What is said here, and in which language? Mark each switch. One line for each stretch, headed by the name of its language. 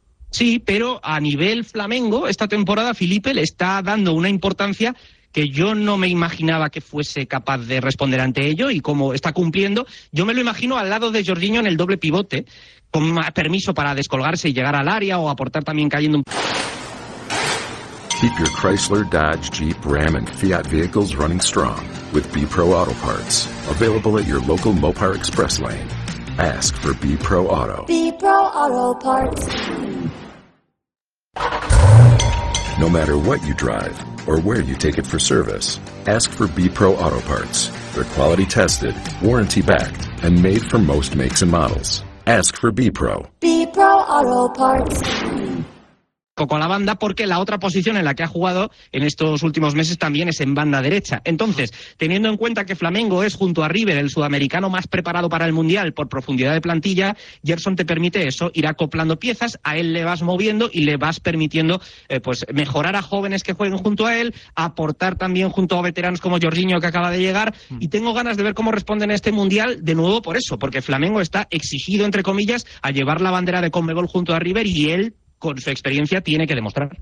Spanish: Sí, pero a nivel Flamengo, esta temporada Felipe le está dando una importancia que yo no me imaginaba que fuese capaz de responder ante ello, y como está cumpliendo, yo me lo imagino al lado de Jorginho en el doble pivote, con permiso para descolgarse y llegar al área o aportar también cayendo.
English: Keep your Chrysler, Dodge, Jeep, Ram and Fiat vehicles running strong with B-Pro Auto Parts. Available at your local Mopar Express Lane. Ask for B-Pro Auto. B-Pro Auto Parts. No matter what you drive or where you take it for service, ask for B-Pro Auto Parts. They're quality tested, warranty backed, and made for most makes and models. Ask for B-Pro. B-Pro Auto Parts.
Spanish: Con la banda, porque la otra posición en la que ha jugado en estos últimos meses también es en banda derecha. Entonces, teniendo en cuenta que Flamengo es, junto a River, el sudamericano más preparado para el Mundial por profundidad de plantilla, Gerson te permite eso, ir acoplando piezas, a él le vas moviendo y le vas permitiendo pues mejorar a jóvenes que jueguen junto a él, aportar también junto a veteranos como Jorginho, que acaba de llegar, y tengo ganas de ver cómo responden a este Mundial, de nuevo por eso, porque Flamengo está exigido, entre comillas, a llevar la bandera de Conmebol junto a River, y él, con su experiencia, tiene que demostrar.